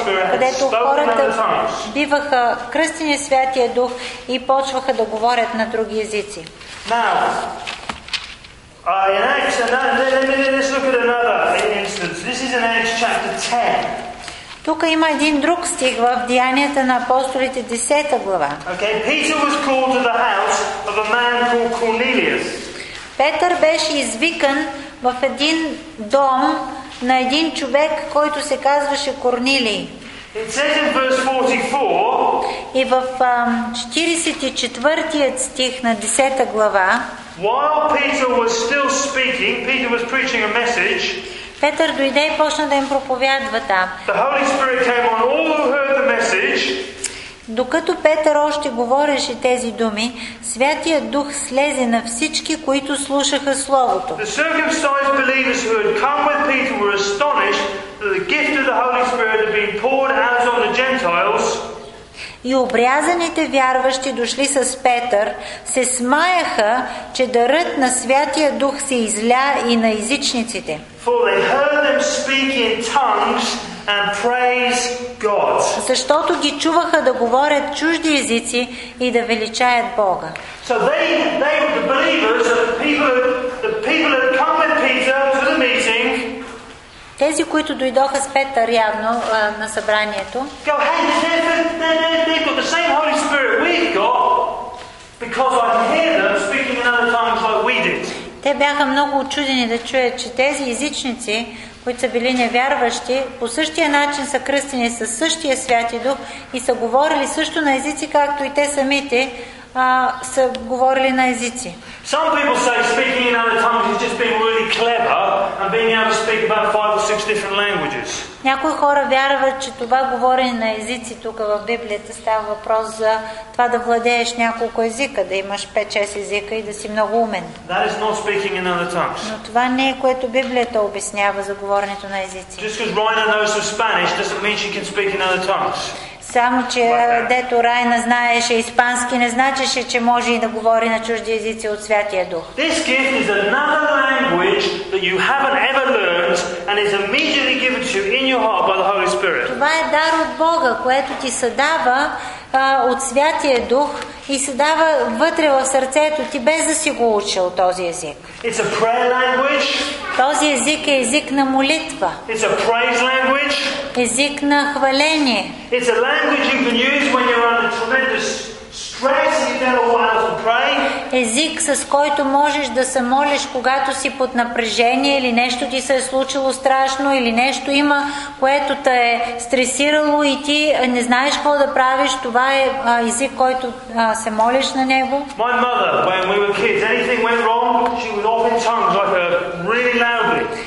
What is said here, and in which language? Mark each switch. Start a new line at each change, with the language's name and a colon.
Bulgarian: Където хората биваха кръстени в Святия Дух и почваха да говорят на други езици.
English: Now, in Acts, let's look at another instance. This is in Acts chapter 10.
Bulgarian: Тук има един друг стих в Деянията на апостолите 10 глава.
English: Okay, Peter was called to the house of a man called Cornelius.
Bulgarian: Петър беше извикан в един дом на един човек, който се казваше Корнилий.
English: It says in verse 44,
Bulgarian: и в 44-тият стих на 10 глава,
English: while Peter was still speaking, Peter was preaching a message.
Bulgarian: Петър дойде и почна да им проповядва там.
English: The Holy Spirit came on all who heard the message.
Bulgarian: Докато Петър още говореше тези думи, Святия Дух слезе на всички, които слушаха Словото.
English: The circumcised believers who had come with Peter were astonished that the gift of the Holy Spirit had been poured out on the Gentiles.
Bulgarian: И обрязаните вярващи, дошли с Петър, се смаяха, че дарът на Святия Дух се изля и на езичниците.
English: For they heard them speak in tongues and praise God.
Bulgarian: Защото ги чуваха да говорят чужди езици и да величаят Бога.
English: So they were the believers, the people had come with Peter to the meeting.
Bulgarian: Тези, които дойдоха с Петър явно на събранието.
English: Go, hey, they've got the same Holy Spirit we've got, because I can hear them speaking in other tongues like we did.
Bulgarian: Те бяха много учудени да чуят, че тези езичници, които са били невярващи, по същия начин са кръстени със същия Святи Дух и са говорили също на езици, както и те самите са говорили на езици.
English: Some people say speaking in other tongues is just being really clever and being able to speak about 5 or 6 different languages.
Bulgarian: Някои хора вярват, че това говорене на езици тук в Библията става въпрос за това да владееш няколко езика, да имаш 5-6 езика и да си много умен.
English: That is not speaking in other tongues.
Bulgarian: Но това не е което Библията обяснява за говоренето на езици.
English: Just because Raina knows of Spanish doesn't mean she can speak in other tongues.
Bulgarian: Само че дето Райна знаеше испански, не значеше, че може и да говори на чужди езици от Святия Дух.
English: This gift is another language that you haven't ever learned and is immediately given to you in your heart by the Holy Spirit.
Bulgarian: Това е дар от Бога, което ти се дава от Святия Дух и се дава вътре в сърцето ти, без да си го учил този език.
English: It's a prayer language.
Bulgarian: Този език е език на молитва.
English: It's a praise language.
Bulgarian: Език на хваление.
English: It's a language you can use when you're under tremendous stress and you've had a while to pray.
Bulgarian: Език, с който можеш да се молиш, когато си под напрежение или нещо ти се е случило страшно или нещо има, което те е стресирало и ти не знаеш какво да правиш. Това е език, който се молиш на него.
English: My mother, when we were kids, anything went wrong, she would often tongues like a really loudly.